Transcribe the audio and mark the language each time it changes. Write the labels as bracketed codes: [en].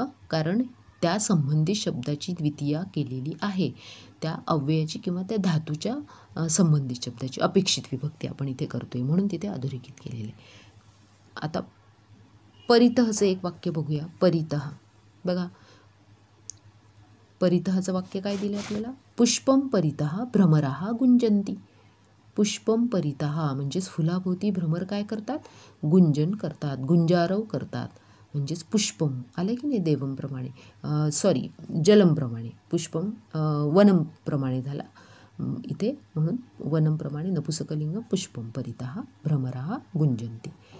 [mr] कारण त्या संबंधित शब्दाची द्वितीया केलेली आहे, त्या अव्ययाची किंवा त्या धातूच्या संबंधित शब्दाची अपेक्षित विभक्ती आपण इथे करतो आहे म्हणून तिथे अधोरेखित केलेलं आहे. आता परितःचं एक वाक्य बघूया. परितः बघा, परितहाचं वाक्य काय दिलं आपल्याला? [sa] पुष्पम परितः भ्रमरः गुंजन्ति. [mr] पुष्पम परितः म्हणजेच फुलाभोवती भ्रमर काय करतात? गुंजन करतात, गुंजारव करतात. म्हणजेच पुष्पम आलं की नाही देवमप्रमाणे, सॉरी जलमप्रमाणे, पुष्पम वनमप्रमाणे झाला इथे, म्हणून वनमप्रमाणे नपुसकलिंग [sa] पुष्पम परितः भ्रमरः गुंजन्ति.